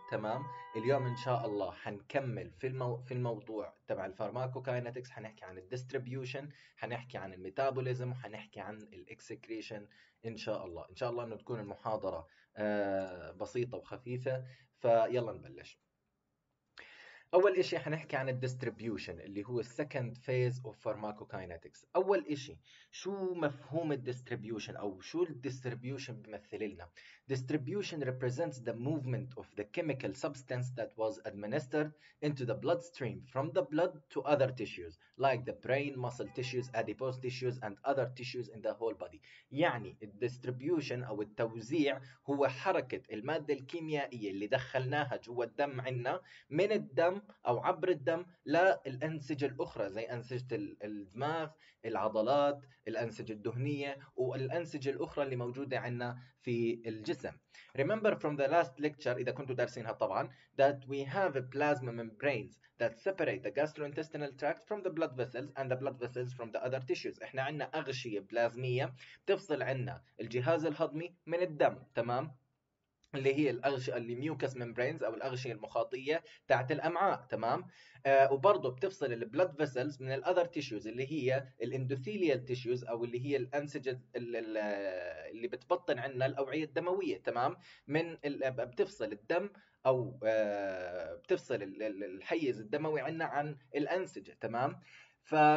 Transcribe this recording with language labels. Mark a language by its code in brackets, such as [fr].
[ar] تمام، اليوم إن شاء الله حنكمل في الموضوع تبع الفارماكوكاينتكس، حنحكي عن الديستريبيوشن، حنحكي عن الميتابوليزم، وحنحكي عن الإكسكريشن إن شاء الله. إن شاء الله إنه تكون المحاضرة بسيطة وخفيفة، فيلا نبلش. أول إشي حنحكي عن الديستريبيوشن اللي هو [en] السكند phase of pharmacokinetics. [ar] أول إشي، شو مفهوم الديستريبيوشن أو شو الديستريبيوشن بيمثل لنا؟ [en] distribution represents the movement of the chemical substance that was administered into the bloodstream from the blood to other tissues like the brain, muscle tissues, adipose tissues and other tissues in the whole body. [ar] يعني الديستريبيوشن أو التوزيع هو حركة المادة الكيميائية اللي دخلناها جوا الدم عنا من الدم أو عبر الدم للأنسجة الأخرى زي أنسجة الدماغ، العضلات، الأنسجة الدهنية والأنسجة الأخرى اللي موجودة عندنا في الجسم. [en] Remember from the last lecture [ar] إذا كنتوا دارسينها طبعاً [en] that we have a plasma membranes that separate the gastrointestinal tract from the blood vessels and the blood vessels from the other tissues. [ar] إحنا عندنا أغشية بلازمية تفصل عندنا الجهاز الهضمي من الدم، تمام؟ اللي هي الأغشية اللي [en] mucous membranes [ar] أو الأغشية المخاطية تاعت الأمعاء، تمام؟ وبرضه بتفصل البلد فيسلز من [en] الأذر تيشوز [ar] اللي هي [en] الإندوثيليال تيشوز [ar] أو اللي هي الأنسجة اللي بتبطن عنا الأوعية الدموية، تمام؟ من بتفصل الدم أو بتفصل الحيز الدموي عنا عن الأنسجة، تمام؟ ف